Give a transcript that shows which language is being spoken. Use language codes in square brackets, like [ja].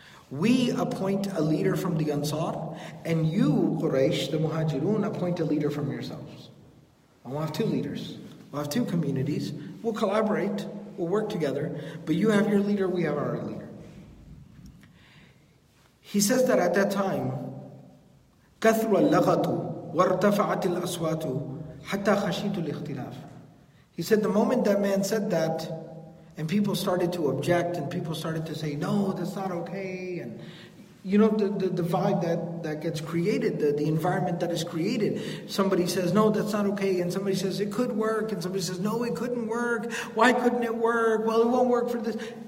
[en] We appoint a leader from the Ansar, and you, Quraysh, the Muhajirun, appoint a leader from yourselves. And we'll have two leaders. We'll have two communities. We'll collaborate. We'll work together. But you have your leader, we have our leader. He says that at that time, [ar] كَثْرُ اللَّغَةُ وَارْتَفَعَتِ الْأَصْوَاتُ حَتَّى خَشِيتُ الْإِخْتِلَافِ. [en] He said, the moment that man said that, and people started to object, and people started to say, no, that's not okay, and you know, the vibe that gets created, the environment that is created. Somebody says, no, that's not okay, and somebody says, it could work, and somebody says, no, it couldn't work, why couldn't it work, well, it won't work for this.